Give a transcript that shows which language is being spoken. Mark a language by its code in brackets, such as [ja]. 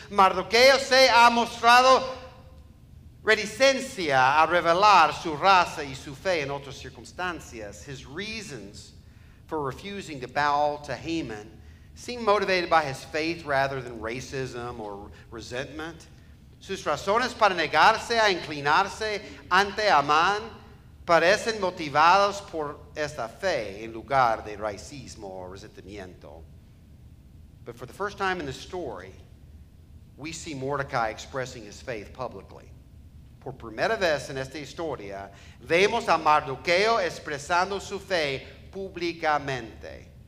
[es] Mardoqueo se ha mostrado reticencia a revelar su raza y su fe en otras circunstancias. [en] His reasons for refusing to bow to Haman seem motivated by his faith rather than racism or resentment. [es] Sus razones para negarse a inclinarse ante Amán parecen motivadas por esta fe en lugar de racismo o resentimiento. [en] But for the first time in the story, we see Mordecai expressing his faith publicly. [es] Por primera vez en esta historia, vemos a Mardoqueo expresando su fe públicamente.